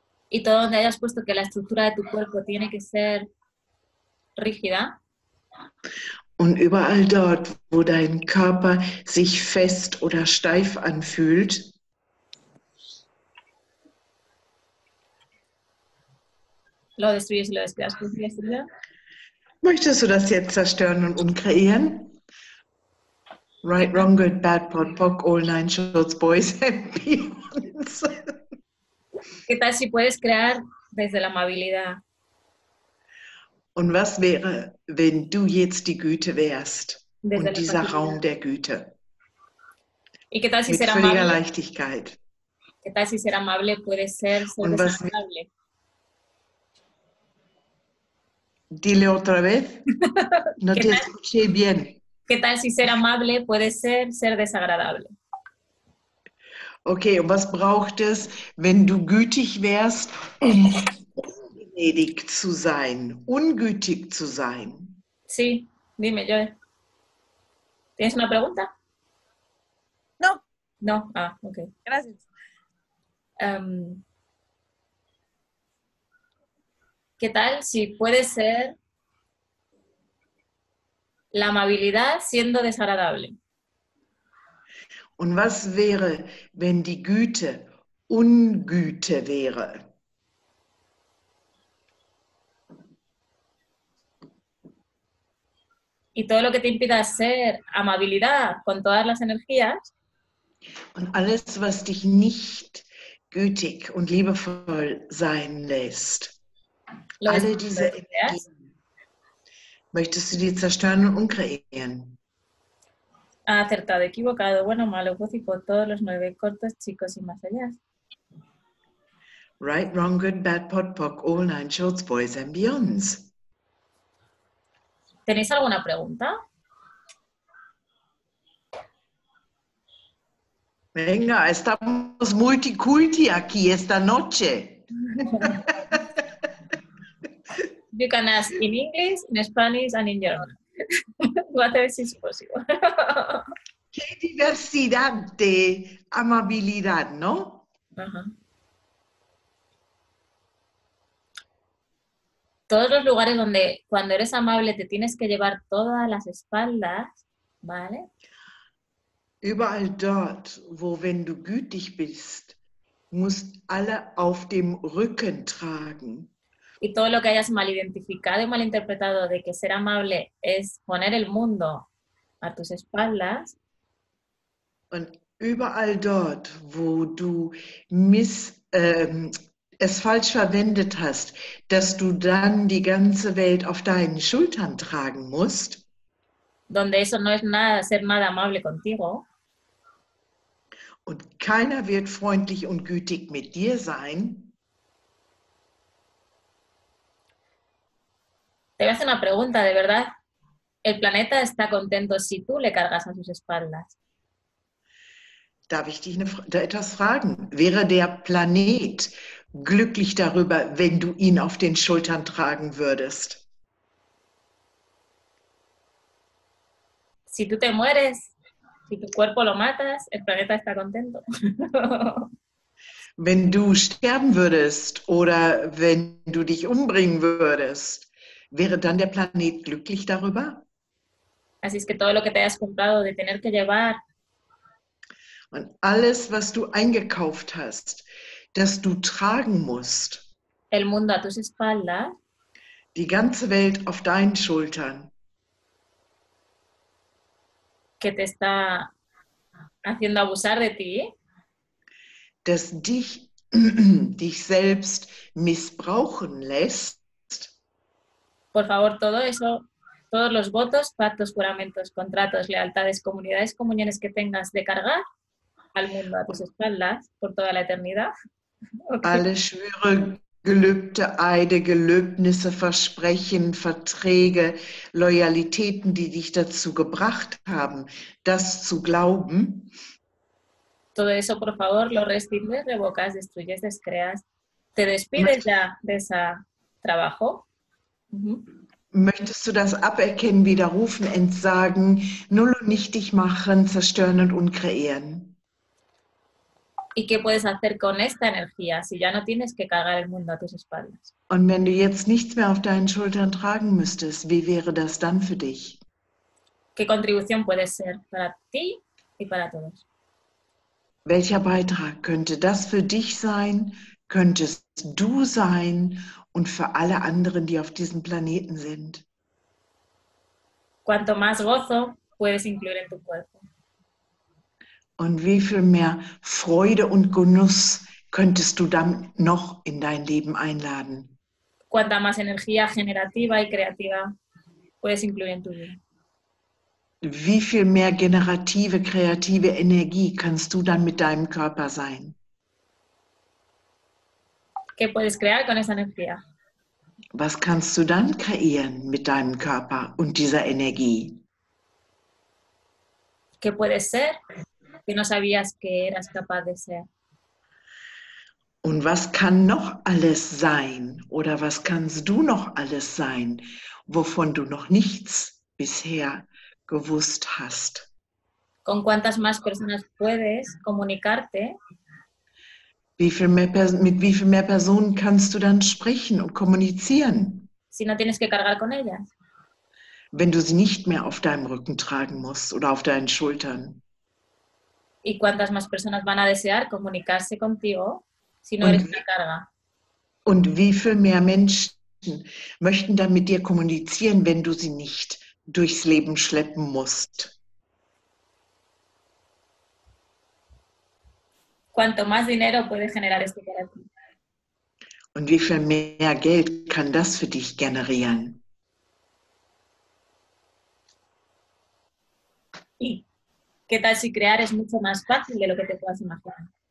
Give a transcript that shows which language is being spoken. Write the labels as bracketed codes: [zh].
[es] Y todo donde hayas puesto que la estructura de tu cuerpo tiene que ser rígida. [de] Und überall dort, wo dein Körper sich fest oder steif anfühlt, möchtest du das jetzt zerstören und umkreieren? [en] Right, wrong, good, bad, pot, pock, all nine shorts, boys and peons. [es] ¿Qué tal si puedes crear desde la amabilidad? [de] Und was wäre, wenn du jetzt die Güte wärst und dieser Raum der Güte? [es] ¿Y qué tal si [de] mit [es] ser [de] völliger [es] amable? [de] Leichtigkeit. [es] ¿Qué tal si ser amable puede ser [de] und was [es] desagradable? Dile otra vez. No te escuché bien. ¿Qué tal si ser amable puede ser ser desagradable? [de] Okay, und was braucht es, wenn du gütig wärst, um ungnädig zu sein, ungütig zu sein? [es] Sí, dime, Joel. ¿Tienes una pregunta? No. No, ah, okay. Gracias. ¿Qué tal si puede ser la amabilidad siendo desagradable? [de] Und was wäre, wenn die Güte Ungüte wäre? [es] Y todo lo que te impida ser amabilidad con todas las energías. [de] Und alles, was dich nicht gütig und liebevoll sein lässt. Alle diese Energien. Möchtest du die zerstören und umkreieren? [es] Acertado, equivocado, bueno, malo, positivo, todos los nueve cortos, chicos y más allá. [en] Right, wrong, good, bad, pot, pock, all nine shorts, boys and beyonds. [es] ¿Tenéis alguna pregunta? Venga, estamos multiculti aquí esta noche. [en] You can ask in English, in Spanish and in German. Whatever is possible. [es] Qué diversidad de amabilidad, ¿no? Todos los lugares donde cuando eres amable te tienes que llevar todas las espaldas, ¿vale? [de] Überall dort, wo wenn du gütig bist, musst alle auf dem Rücken tragen. [es] Y todo lo que hayas mal identificado y mal interpretado de que ser amable es poner el mundo a tus espaldas. [de] Und überall dort, wo du es falsch verwendet hast, dass du dann die ganze Welt auf deinen Schultern tragen musst. [es] Donde eso no es nada, ser nada amable contigo. [de] Und keiner wird freundlich und gütig mit dir sein. [es] Te voy a hacer una pregunta, de verdad. El planeta está contento si tú le cargas a sus espaldas. [de] Darf ich dich etwas fragen? Wäre der Planet glücklich darüber, wenn du ihn auf den Schultern tragen würdest? [es] Si tú te mueres, si tu cuerpo lo matas, el planeta está contento. [de] Wenn du sterben würdest oder wenn du dich umbringen würdest, wäre dann der Planet glücklich darüber? [es] Así es que todo lo que te hayas comprado de tener que llevar. [de] Und alles, was du eingekauft hast, das du tragen musst, [es] el mundo a tus espaldas, [de] die ganze Welt auf deinen Schultern, [es] que te está haciendo abusar de ti, [de] das dich, dich selbst missbrauchen lässt, [es] por favor, todo eso, todos los votos, pactos, juramentos, contratos, lealtades, comunidades, comuniones que tengas de cargar, al mundo a tus espaldas por toda la eternidad. [en] Okay. [de] Alle Schwüre, Gelübde, Eide, Gelöbnisse, Versprechen, Verträge, Loyalitäten, die dich dazu gebracht haben, das zu glauben. [es] Todo eso, por favor, lo rescindes, revocas, destruyes, descreas. Te despides ya de ese trabajo. [de] Möchtest du das aberkennen, widerrufen, entsagen, null und nichtig machen, zerstören und unkreieren? [es] ¿Y qué puedes hacer con esta energía si ya no tienes que cargar el mundo a tus espaldas? [de] Und wenn du jetzt nichts mehr auf deinen Schultern tragen müsstest, wie wäre das dann für dich? [es] ¿Qué contribución puede ser para ti y para todos? [de] Welcher Beitrag könnte das für dich sein, könntest du sein und für alle anderen, die auf diesem Planeten sind? [es] Cuanto más gozo puedes incluir en tu cuerpo. [de] Und wie viel mehr Freude und Genuss könntest du dann noch in dein Leben einladen? [es] Cuanta más energía generativa y creativa puedes incluir en tu vida. [de] Wie viel mehr generative, kreative Energie kannst du dann mit deinem Körper sein? [es] ¿Qué puedes crear con esa energía? [de] Was kannst du dann kreieren mit deinem Körper und dieser Energie? [es] ¿Qué puedes ser que no sabías que eras capaz de ser? [de] Und was kann noch alles sein oder was kannst du noch alles sein, wovon du noch nichts bisher gewusst hast? [es] ¿Con cuántas más personas puedes comunicarte? [de] Mit wie viel mehr Personen kannst du dann sprechen und kommunizieren? [es] Si no tienes que cargar con ellas. [de] Wenn du sie nicht mehr auf deinem Rücken tragen musst oder auf deinen Schultern. [es] ¿Y cuántas más personas van a desear comunicarse contigo? Si no eres una carga. [de] Und wie viel mehr Menschen möchten dann mit dir kommunizieren, wenn du sie nicht durchs Leben schleppen musst? [es] Cuanto más dinero puede generar esto para ti. [de] Und wie viel mehr Geld kann das für dich generieren? [es] ¿Qué tal si crear es mucho más fácil de lo que te puedas imaginar?